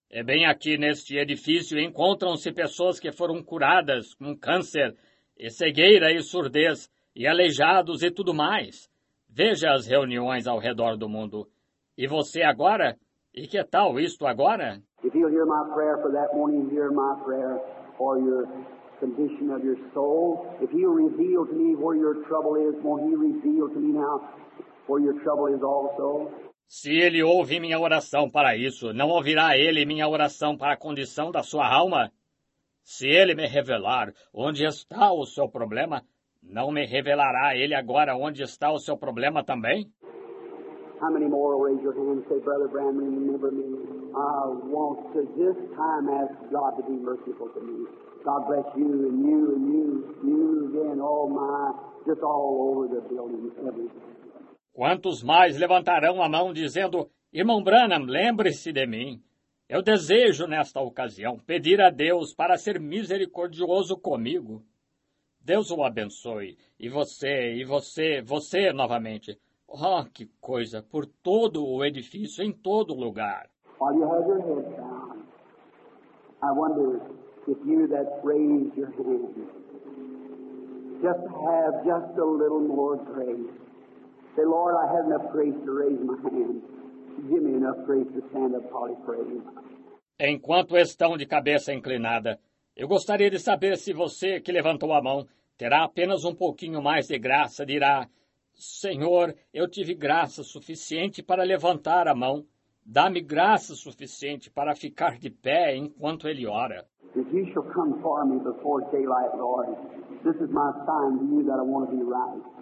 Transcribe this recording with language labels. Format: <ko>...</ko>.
<pt>É bem aqui neste edifício encontram-se pessoas que foram curadas com câncer, e cegueira e surdez, e aleijados e tudo mais. Veja as reuniões ao redor do mundo. E você agora? E que tal isto agora?</pt> <en>If you hear my prayer for that morning, hear my prayer for your condition of your soul. If you reveal to me where your trouble is, won't he reveal to me now? For your trouble is also.</en> <pt>Se ele ouve minha oração para isso, não ouvirá ele minha oração para a condição da sua alma? Se ele me revelar onde está o seu problema, não me revelará ele agora onde está o seu problema também?</pt> <en>How many more will raise your hand and say, Brother Branham, remember me. I want to this time ask God to be merciful to me. God bless you and you and you, you again, oh my, just all over the building, everything.</en> <pt>Quantos mais levantarão a mão dizendo, irmão Branham, lembre-se de mim. Eu desejo, nesta ocasião, pedir a Deus para ser misericordioso comigo. Deus o abençoe. E você, você novamente. Oh, que coisa, por todo o edifício, em todo lugar.</pt> <en>While you have your head down, I wonder if you that raised your hand just have just a little more grace. Say, Lord, I have enough grace to raise my hand. Give me enough grace to stand up while he prays.</en> <pt>Enquanto estão de cabeça inclinada, eu gostaria de saber se você que levantou a mão terá apenas um pouquinho mais de graça, dirá, Senhor, eu tive graça suficiente para levantar a mão. Dá-me graça suficiente para ficar de pé enquanto ele ora.</pt> <en>If you shall come for me before daylight, Lord, this is my sign to you that I want to be right.</en>